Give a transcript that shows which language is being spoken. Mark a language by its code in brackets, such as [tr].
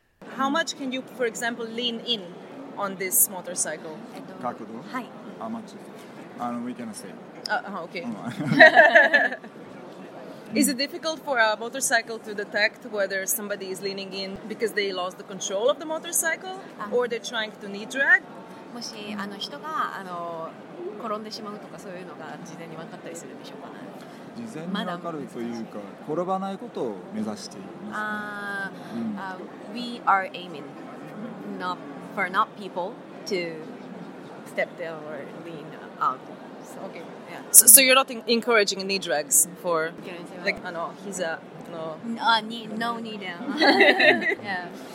[en] How much can you, for example, lean in on this motorcycle? [ja] Kakudo? Hi. [en] How much? We cannot say. Okay. Is it difficult for a motorcycle to detect whether somebody is leaning in because they lost the control of the motorcycle or they're trying to knee drag? [ja] もし、あの、人が、あの、転んでしまうとかそういうのが事前に分かったりするでしょうか？事前に分かるというか、転ばないことを目指しています、 [en] We are aiming not for not people to step down or lean out. So, okay. Yeah. So you're not encouraging knee drags for like ano he's a no. No knee down. Yeah.